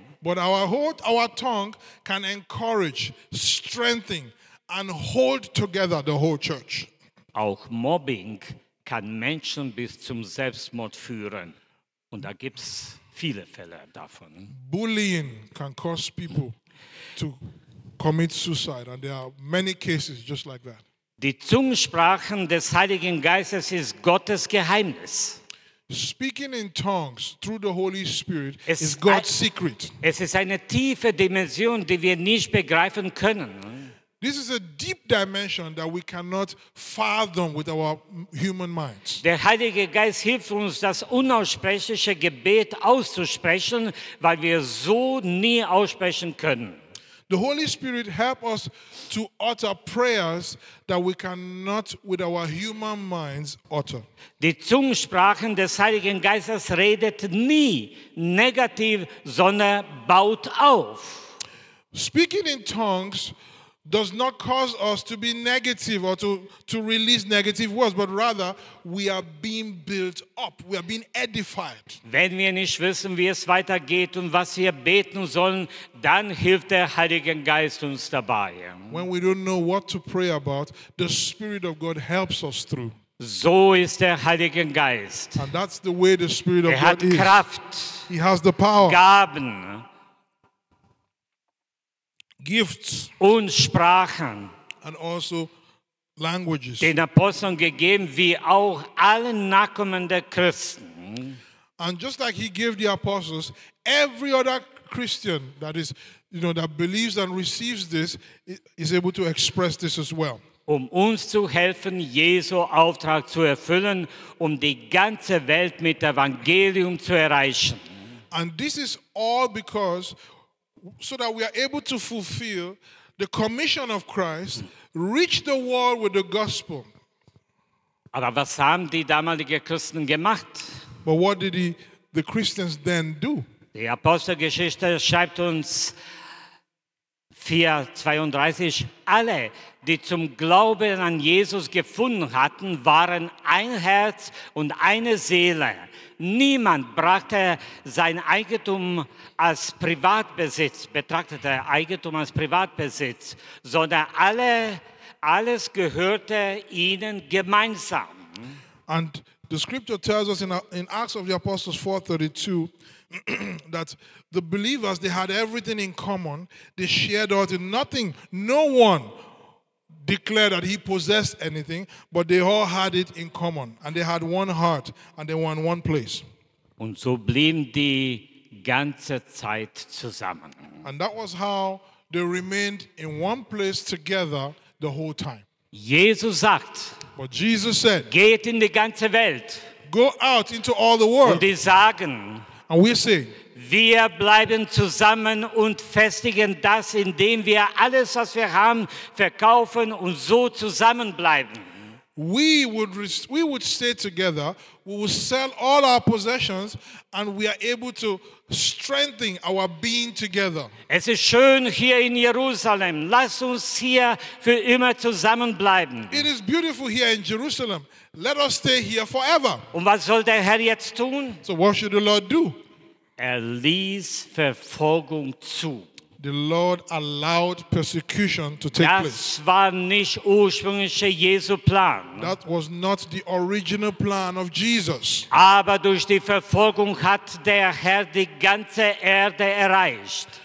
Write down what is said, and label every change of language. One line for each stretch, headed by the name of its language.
English: But our tongue can encourage, strengthen and hold together the whole church.
German: Auch Mobbing kann Menschen bis zum Selbstmord führen. Und da gibt's viele Fälle davon.
English: Bullying can cause people to commit suicide, and there are many cases just like that.
German: Die Zungensprachen des Heiligen Geistes ist Gottes Geheimnis.
English: Speaking in tongues through the Holy Spirit is God's secret.
German: Es ist eine tiefe Dimension, die wir nicht begreifen können.
English: This is a deep dimension that we cannot fathom with our human minds.
German: Der Heilige Geist hilft uns, das unaussprechliche Gebet auszusprechen, weil wir so nie aussprechen können.
English: The Holy Spirit helps us to utter prayers that we cannot with our human minds utter.
German: Die Zungensprachen des Heiligen Geistes redet nie negativ, sondern baut auf.
English: Speaking in tongues does not cause us to be negative or to release negative words, but rather we are being built up, we are being edified.
German: Wenn wir nicht wissen, wie es weitergeht und was wir beten sollen, dann hilft der Heilige Geist uns dabei.
English: When we don't know what to pray about, the Spirit of God helps us through.
German: So ist der Heilige Geist.
English: And that's the way the Spirit of God is.
German: Kraft,
English: he has the power.
German: Gaben.
English: Gifts
German: und Sprachen,
English: and also languages,
German: den Aposteln gegeben, wie auch allen Nachkommen der Christen.
English: And just like he gave the apostles, every other Christian that is, you know, that believes and receives this is able to express this as well.
German: Um uns zu helfen, Jesu Auftrag zu erfüllen, um die ganze Welt mit Evangelium zu erreichen.
English: And this is all because so that we are able to fulfill the commission of Christ, reach the world with the gospel.
German: Aber was haben die damaligen Christen gemacht?
English: But what did the Christians then do?
German: Die Apostelgeschichte schreibt uns 4:32, alle, die zum Glauben an Jesus gefunden hatten, waren ein Herz und eine Seele. Niemand brachte sein Eigentum als Privatbesitz, betrachtete Eigentum als Privatbesitz, sondern alles gehörte ihnen gemeinsam.
English: And the scripture tells us in Acts of the Apostles 4:32 that the believers, they had everything in common, they shared all things, nothing, no one declared that he possessed anything, but they all had it in common, and they had one heart, and they were in one place.
German: Und so blieben die ganze Zeit zusammen.
English: And that was how they remained in one place together the whole time.
German: Jesus sagt,
English: but Jesus said,
German: geht in die ganze Welt,
English: go out into all the world.
German: Und die sagen,
English: and we say,
German: wir bleiben zusammen und festigen das, indem wir alles, was wir haben, verkaufen und so zusammenbleiben.
English: we would stay together, we would sell all our possessions, and we are able to strengthen our being together.
German: Es ist schön hier in Jerusalem. Lass uns hier für immer zusammenbleiben.
English: It is beautiful here in Jerusalem. Let us stay here forever.
German: Und was soll der Herr jetzt tun?
English: So what should the Lord do?
German: Er ließ Verfolgung zu.
English: The Lord allowed persecution to take
German: das
English: place.
German: Das war nicht ursprünglicher Jesu Plan.
English: That was not the original plan of Jesus.
German: Aber durch die Verfolgung hat der Herr die ganze Erde erreicht.